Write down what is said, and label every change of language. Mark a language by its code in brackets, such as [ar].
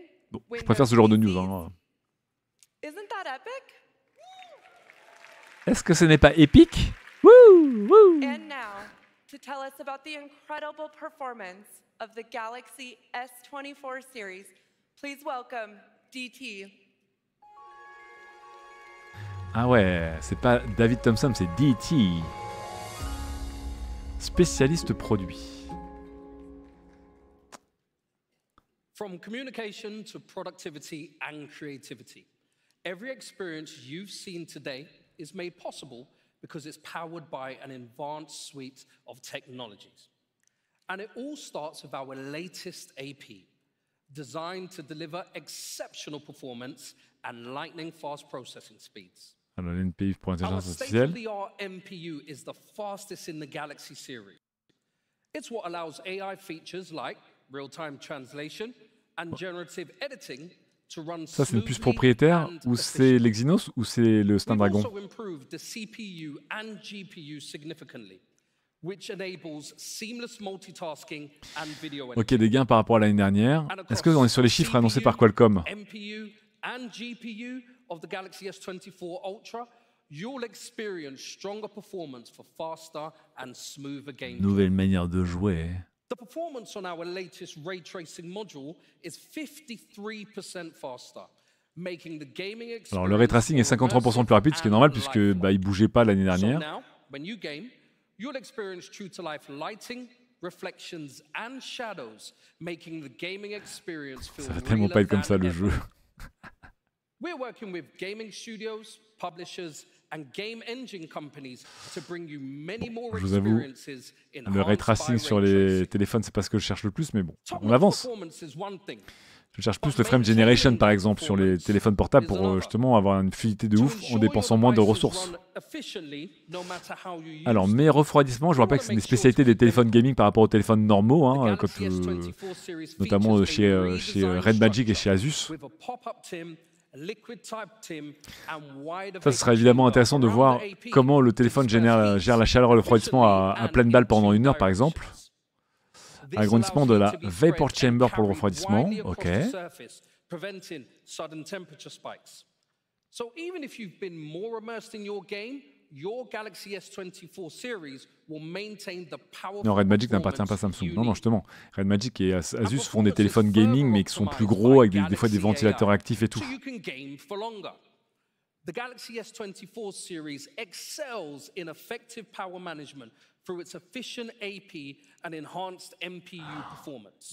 [fr] Bon, je préfère ce genre de news, hein. Est-ce que ce n'est pas épique? Wouh! Wouh! [en] And now, to tell us about the incredible performance of the Galaxy S24 series, please welcome DT. [fr] Ah ouais, c'est pas David Thompson, c'est DT. Spécialiste produit. [en] From communication to productivity and creativity, every experience you've seen today is made possible because it's powered by an advanced suite of technologies. And it all starts with our latest AP, designed to deliver exceptional performance and lightning-fast processing speeds. Our state-of-the-art MPU is the fastest in the Galaxy series. It's what allows AI features like real-time translation and generative editing to run [fr] Ça, c'est une puce propriétaire, ou c'est l'Exynos, ou c'est le Snapdragon? [en] We've also improved the CPU and GPU significantly, which enables seamless multitasking and video editing. [fr] Ok, des gains par rapport à l'année dernière. Est-ce qu'on est sur les chiffres annoncés par Qualcomm? [en] MPU and GPU of the Galaxy S24 Ultra, you'll experience stronger performance for faster and smoother gameplay. [fr] Nouvelle manière de jouer. [en] The performance on our latest ray tracing module is 53% faster, making the gaming experience. [fr] Alors le ray tracing est 53% plus rapide, ce qui est normal puisque bah il bougeait pas l'année dernière. [en] So now, when you game, you'll experience true to life lighting, reflections and shadows, making the gaming experience feel. [fr] Ça va tellement pas être comme ça le jeu. [en] We're working with gaming studios, publishers and game engine companies to bring you many more experiences in [fr] le ray tracing sur les téléphones, c'est pas ce que je cherche le plus, mais bon, on avance. Je cherche plus le frame generation par exemple sur les téléphones portables pour justement avoir une fluidité de ouf en dépensant moins de ressources. Alors, mais refroidissement, je vois pas que c'est une spécialité des téléphones gaming par rapport aux téléphones normaux, hein, quand, notamment chez Red Magic et chez Asus. Ça, ce sera évidemment intéressant de voir comment le téléphone gère la chaleur et le refroidissement à pleine balle pendant une heure, par exemple. Un grandissement de la vapor chamber pour le refroidissement, ok. [en] So even if you've been more immersed in your game, your Galaxy S24 series will maintain the powerful. [fr] Non, Red Magic n'appartient pas à Samsung. Non, justement, Red Magic et Asus font des téléphones gaming mais qui sont plus gros avec des fois des ventilateurs actifs et tout. [en] So you can game for longer. The Galaxy S24 series excels in effective power management through its efficient AP and enhanced MPU performance.